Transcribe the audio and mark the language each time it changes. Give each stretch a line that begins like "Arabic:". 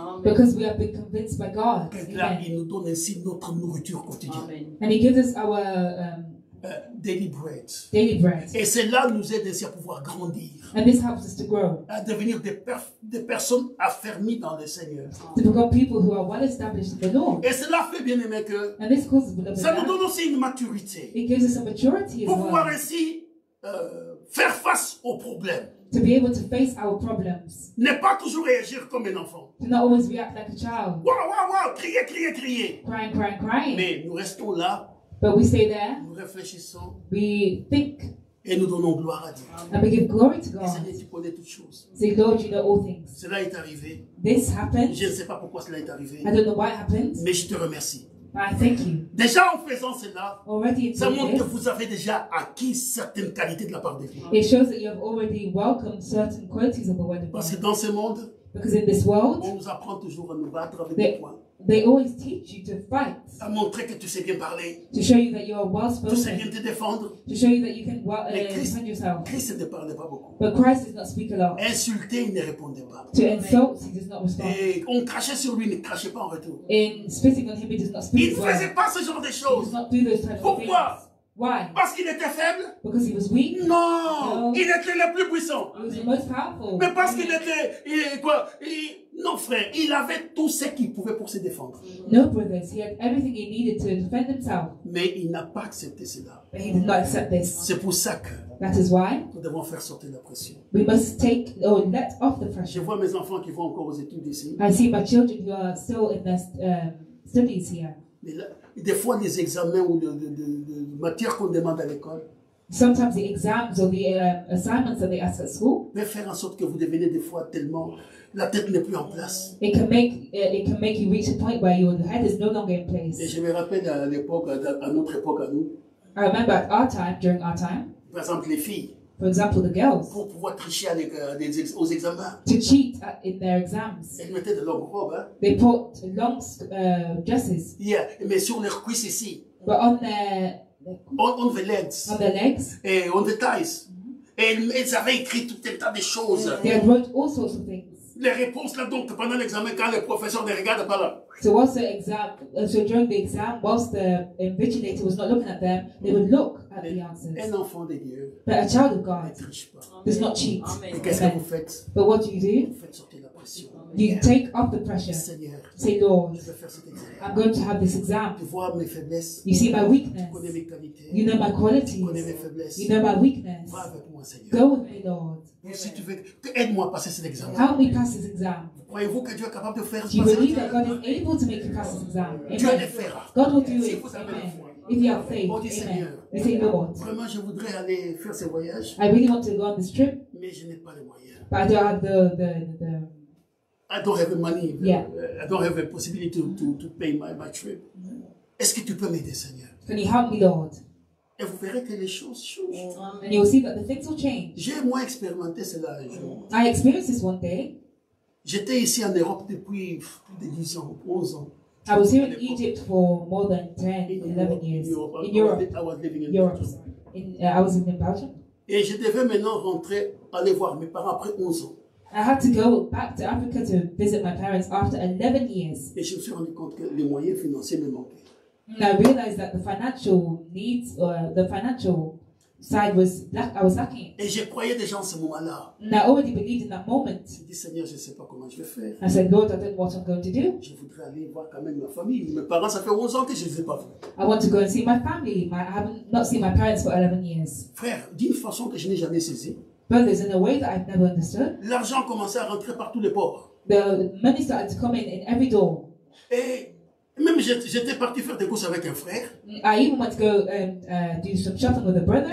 English: Amen. Because we have been convinced by God.
French: Là, il nous donne ainsi notre nourriture quotidienne.
English: Amen. And he gives us our daily bread.
French: Et cela nous aide ainsi à pouvoir grandir.
English: And this helps us to grow.
French: À devenir des personnes affermies dans le Seigneur.
English: To become people who are well established in the Lord.
French: Et cela fait bien aimé que.
English: And this causes beloved.
French: Ça nous donne aussi une maturité.
English: It gives us a maturity.
French: Pour
English: as
French: pouvoir
English: well.
French: Ainsi faire face aux problèmes.
English: To be able to face our problems.
French: Ne pas toujours réagir comme un enfant.
English: To not always react like a child.
French: Wow! Crier.
English: Crying.
French: Mais nous restons là.
English: But we stay there.
French: Nous réfléchissons.
English: We think.
French: Et nous donnons gloire à Dieu.
English: And we give glory to God.
French: Et Seigneur, tu connais toutes choses.
English: Say, Lord, you know all things.
French: Cela est arrivé.
English: This happened.
French: Je ne sais pas pourquoi cela est arrivé.
English: I don't know why it happened.
French: Mais je te remercie.
English: I thank you.
French: Déjà en faisant cela,
English: already in
French: ça montre que vous avez déjà acquis certaines qualités de la part de Dieu.
English: It shows that you have already welcomed certain qualities of the word of God.
French: Parce que dans ce monde,
English: because in this world,
French: on nous apprend toujours à nous battre avec des points.
English: They always teach you to fight.
French: À montrer que tu sais bien parler.
English: To show you that you are well spoken.
French: Tu sais bien te défendre.
English: To show you that you can well defend yourself.
French: Christ ne parlait pas beaucoup.
English: But Christ does not speak a lot.
French: Insulter, il ne répondait pas.
English: To insult, he does not respond.
French: Et on crachait sur lui, il ne crachait pas en retour.
English: In spitting on him, he does not speak.
French: Il ne faisait pas ce genre de choses.
English: He does not do those types
French: pourquoi?
English: Of things.
French: Pourquoi?
English: Why?
French: Parce qu'il était faible.
English: Because he was weak.
French: Non. So, il était le plus puissant.
English: He was the most powerful.
French: Mais parce qu'il était, non frère, il avait tout ce qu'il pouvait pour se défendre.
English: No brothers, he had everything he needed to defend himself.
French: Mais il n'a pas accepté cela.
English: But he did not accept this.
French: C'est pour ça que.
English: That is why.
French: Nous devons faire sortir la pression.
English: We must take or let off the pressure.
French: Je vois mes enfants qui vont encore aux études ici.
English: I see my children who are still in their studies here.
French: Mais là, des fois, les examens ou de matières qu'on demande à l'école.
English: Sometimes the exams or the assignments that they ask at school.
French: Peut faire en sorte que vous devenez des fois tellement la tête n'est plus en place.
English: It can make you reach a point where your head is no longer in place.
French: Et je me rappelle à l'époque, à notre époque à nous.
English: I remember at our time, during our time.
French: Par exemple, les filles.
English: For example, the girls.
French: Pour pouvoir tricher aux examens.
English: To cheat in their exams.
French: Elles mettaient de longues robes. Hein?
English: They put long dresses.
French: Yeah, mais sur leurs cuisses ici.
English: But on their. On the legs. On their legs.
French: Et
English: on the thighs.
French: Mm-hmm. Et elles avaient écrit tout un tas de choses.
English: They had wrote all sorts of things.
French: les réponses là donc pendant l'examen quand les professeurs ne regardent pas là.
English: So what's the exam? So during the exam, whilst the invigilator was not looking at them, they would look at the answers.
French: Un enfant de Dieu.
English: But a child of God does not cheat.
French: Et qu'est-ce que vous faites?
English: But what do you do?
French: Vous faites sortir la pression.
English: You take off the pressure.
French: Seigneur,
English: say, Lord,
French: je vais faire cet exam.
English: I'm going to have this exam.
French: Tu vois mes faiblesses.
English: You see my weakness.
French: Tu connais mes qualités.
English: You know my qualities.
French: Tu connais mes faiblesses.
English: You know my weakness.
French: Va avec moi, Seigneur.
English: Go with me, Lord.
French: Et si tu veux, aide-moi à passer cet examen.
English: Help me pass this exam.
French: Croyez-vous que Dieu est capable de faire ce passage?
English: Do you believe that God is able to make you pass this exam?
French: Dieu le fera.
English: God will do it.
French: Si vous avez la foi.
English: If you have faith, amen. Say, Lord,
French: vraiment, je voudrais aller faire ce voyage.
English: I really want to go on this trip.
French: Mais je n'ai pas les moyens.
English: But I don't have the I don't have the money. Yeah. I don't have the possibility to pay my trip.
French: Est-ce que tu peux m'aider, Seigneur?
English: Can you help me, Lord?
French: Et vous verrez que les choses changent.
English: And you'll see that the things will change.
French: J'ai moi expérimenté cela un jour.
English: I experienced this one day.
French: J'étais ici en Europe depuis plus de 10 ans, 11 ans.
English: I was here in Egypt for more than 10, 11 years. In Europe. I was living in Europe. I was in Belgium.
French: Et je devais maintenant rentrer, aller voir mes parents après 11 ans.
English: I had to go back to Africa to visit my parents after 11 years.
French: Et je me suis rendu compte que les moyens financiers me manquaient.
English: And I realized that the financial needs, the financial side was black, I was lacking.
French: Et je croyais déjà en ce moment-là.
English: And I already believed in that moment.
French: Je dis, Seigneur, je sais pas comment je vais faire.
English: I said, Lord, I don't know what I'm going to do.
French: Je voudrais aller voir quand même ma famille. Mes parents, ça fait 11 ans que je les ai pas vus.
English: I want to go and see my family. I have not seen my parents for 11 years.
French: Frère, d'une façon que je n'ai jamais saisie.
English: But there's in a way that I've never understood.
French: L'argent commençait à rentrer par tous les ports.
English: The money started to come in every door.
French: Et même j'étais parti faire des courses avec un frère.
English: I even went to go and do some shopping with a brother.